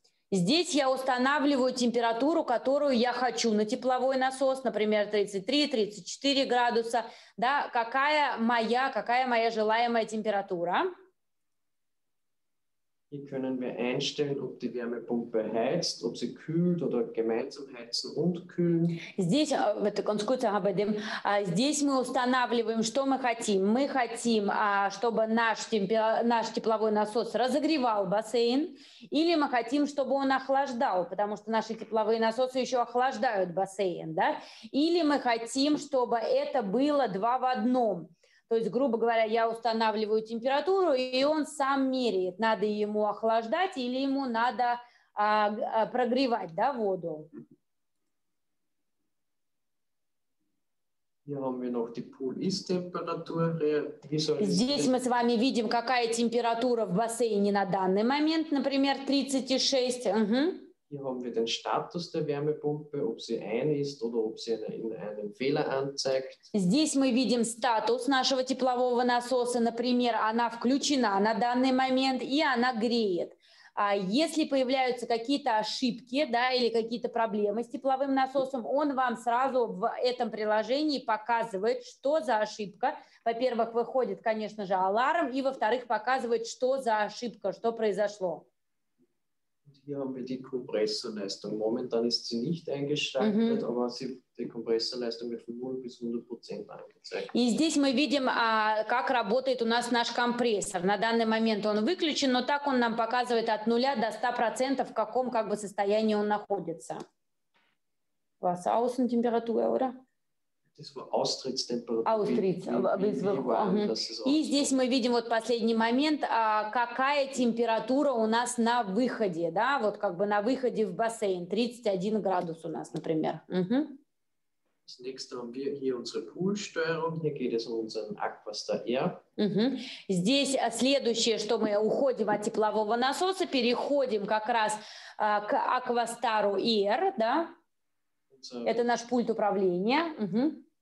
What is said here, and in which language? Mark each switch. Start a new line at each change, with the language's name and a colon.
Russian: Здесь я устанавливаю температуру, которую я хочу на тепловой насос, например, 33-34 градуса. Да? Какая моя желаемая температура?
German: Hier können wir einstellen, ob die Wärmepumpe heizt, ob sie kühlt oder gemeinsam heizen und kühlen.
Russian: Здесь мы устанавливаем, что мы хотим. Мы хотим, чтобы наш тепловой насос разогревал бассейн, или мы хотим, чтобы он охлаждал, потому что наши тепловые насосы еще охлаждают бассейн, да? Или мы хотим, чтобы это было два в одном. То есть, грубо говоря, я устанавливаю температуру, и он сам меряет, надо ему охлаждать или ему надо прогревать, да, воду. Здесь мы с вами видим, какая температура в бассейне на данный момент, например, 36. Угу.
German: Hier haben wir den Status der Wärmepumpe, ob sie ein ist oder ob sie einen Fehler anzeigt.
Russian: Здесь мы видим статус нашего теплового насоса, например, она включена на данный момент и она греет. А если появляются какие-то ошибки, да, или какие-то проблемы с тепловым насосом, он вам сразу в этом приложении показывает, что за ошибка. Во-первых, выходит, конечно же, аларм, и во-вторых, показывает, что за ошибка, что произошло.
German: Hier haben wir die Kompressorleistung. Momentan ist sie nicht eingeschaltet, aber die Kompressorleistung wird von 0 bis 100% angezeigt.
Russian: И здесь мы видим, как работает у нас наш компрессор. На данный момент он выключен, но так он нам показывает от 0 до 100%, в каком как бы состоянии он находится.
German: Was Außentemperatur, oder?
Russian: И здесь мы видим вот последний момент, какая температура у нас на выходе, да, вот как бы на выходе в бассейн, 31 градус у нас, например. Здесь следующее, что мы уходим от теплового насоса, переходим как раз к Aquastar Air, да, это наш пульт управления.